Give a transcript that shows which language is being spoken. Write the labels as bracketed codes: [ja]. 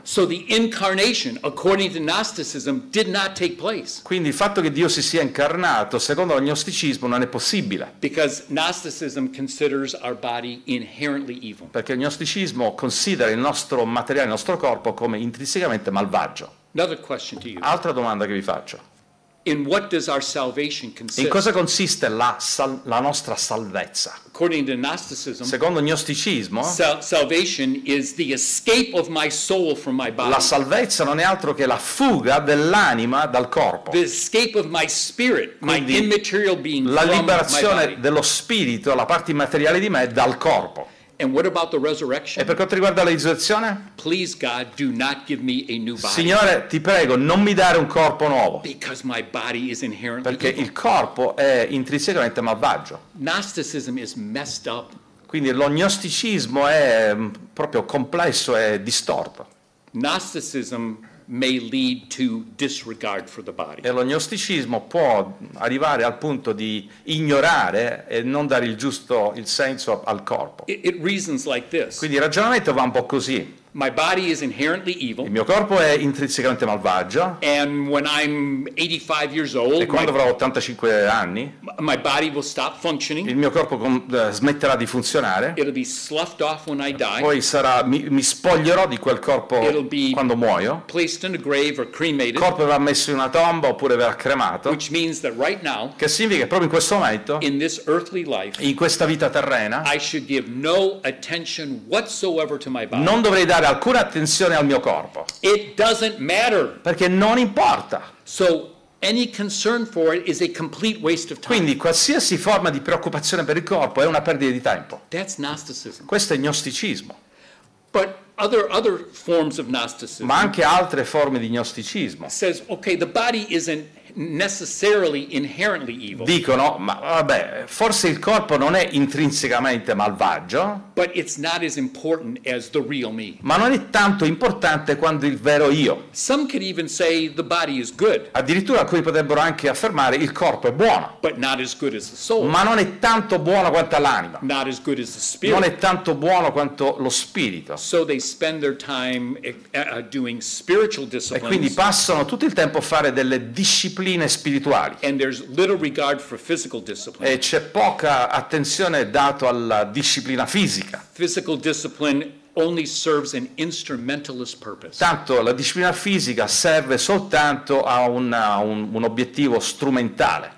[en] So the incarnation, according to Gnosticism, did not take place. [it] Quindi il fatto che Dio si sia incarnato, secondo lo gnosticismo, non è possibile. [en] Because Gnosticism considers our body inherently evil. [it] Perché il gnosticismo considera il nostro materiale, il nostro corpo, come intrinsecamente malvagio. [en] Another question to you. [it] Altra domanda che vi faccio. [en] In what does our salvation consist? [it] In cosa consiste la nostra salvezza? [en] According to Gnosticism, [it] secondo il gnosticismo, [en] salvation is the escape of my soul from my body. [it] La salvezza non è altro che la fuga dell'anima dal corpo. [en] The escape of my spirit, [it] quindi, [en] my immaterial being, [it] la liberazione dello spirito, la parte immateriale di me, dal corpo. [en] And what about the resurrection? [it] E per quanto riguarda la risurrezione? [en] Please God, do not give me a new body. [it] Signore, ti prego, non mi dare un corpo nuovo. [en] Because my body is inherently [it] perché [en] evil. [it] Il corpo è intrinsecamente malvagio. [en] Gnosticism is messed up. [it] Quindi lo gnosticismo è proprio complesso e distorto. [en] Gnosticism may lead to disregard for the body. [it] E lo gnosticismo può arrivare al punto di ignorare e non dare il giusto il senso al corpo. [en] It reasons like this. [it] Quindi il ragionamento va un po' così. [en] My body is inherently evil. [it] Il mio corpo è intrinsecamente malvagio. [en] And when I'm 85 years old, [it] e quando avrò 85 anni, [en] my body will stop functioning. [it] Il mio corpo smetterà di funzionare. [en] It'll be sloughed off when I die. [it] Poi mi spoglierò di quel corpo. [en] It'll be [it] quando muoio. [en] Placed in a grave or cremated. [it] Il corpo verrà messo in una tomba oppure verrà cremato. [en] Which means that right now, [it] che significa proprio in questo momento, [en] in this earthly life, [it] in questa vita terrena, [en] I should give no attention whatsoever to my body. [it] Non dovrei dare alcuna attenzione al mio corpo. [en] It doesn't matter. [it] Perché non importa. [en] So any concern for it is a complete waste of time. [it] Quindi qualsiasi forma di preoccupazione per il corpo è una perdita di tempo. [en] That's Gnosticism. [it] Questo è gnosticismo. [en] But other forms of Gnosticism. [it] Ma anche altre forme di gnosticismo. [en] Says, okay, the body isn't necessarily inherently evil. [it] Dicono, ma vabbè, forse il corpo non è intrinsecamente malvagio. [en] But it's not as important as the real me. [it] Ma non è tanto importante quanto il vero io. [en] Some could even say the body is good. [it] Addirittura alcuni potrebbero anche affermare il corpo è buono. [en] But not as good as the soul. [it] Ma non è tanto buono quanto l'anima. [en] Not as good as the spirit. [it] Non è tanto buono quanto lo spirito. [en] So they spend their time doing spiritual disciplines. [it] E quindi passano tutto il tempo a fare delle discipline spirituali. [en] And there's little regard for physical discipline. [it] E c'è poca attenzione data alla disciplina fisica. [en] Physical discipline only serves an instrumentalist purpose. [it] Tanto la disciplina fisica serve soltanto a un obiettivo strumentale.